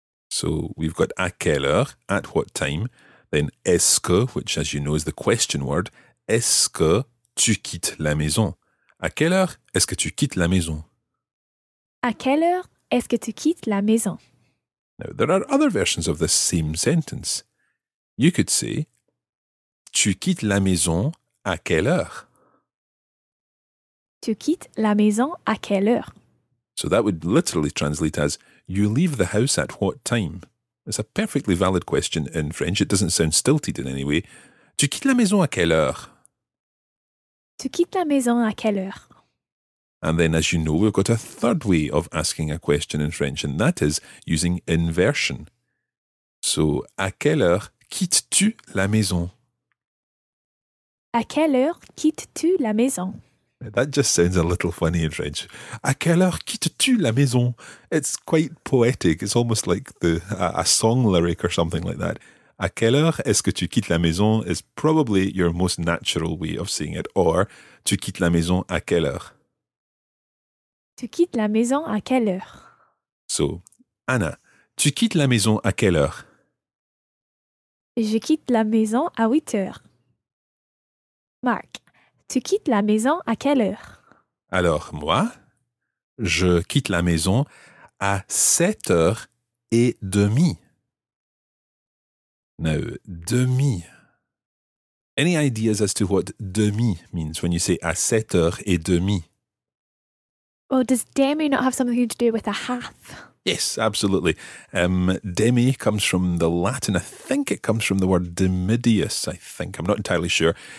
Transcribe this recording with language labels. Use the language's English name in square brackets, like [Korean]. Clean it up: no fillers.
[English] So we've got [French] à quelle heure, [English] at what time, then est-ce que, which as you know is the question word, [French] est-ce que tu quittes la maison? À quelle heure est-ce que tu quittes la maison? À quelle heure est-ce que tu quittes la maison? [English] Now there are other versions of the same sentence. You could say, [French] tu quittes la maison à quelle heure? Tu quittes la maison à quelle heure? [English] So that would literally translate as, you leave the house at what time? It's a perfectly valid question in French. It doesn't sound stilted in any way. [French] Tu quittes la maison à quelle heure? Tu quittes la maison à quelle heure? [English] And then, as you know, we've got a third way of asking a question in French, and that is using inversion. [French] So, à quelle heure quittes-tu la maison? À quelle heure quittes-tu la maison? [English] That just sounds a little funny in French. [French] À quelle heure quittes-tu la maison? [English] It's quite poetic. It's almost like a song lyric or something like that. [French] À quelle heure est-ce que tu quittes la maison [English] is probably your most natural way of saying it. [French] Or, tu quittes la maison à quelle heure? Tu quittes la maison à quelle heure? So, Anna, tu quittes la maison à quelle heure? Je quitte la maison à 8 heures. Mark. Tu quittes la maison à quelle heure? Alors, moi, je quitte la maison à 7h30. [English] Now, demi. Any ideas as to what demi means when you say à 7h30? Well, does demi not have something to do with a half? Yes, absolutely. Demi comes from the Latin. I think it comes from the word demidius, I think. I'm not entirely sure.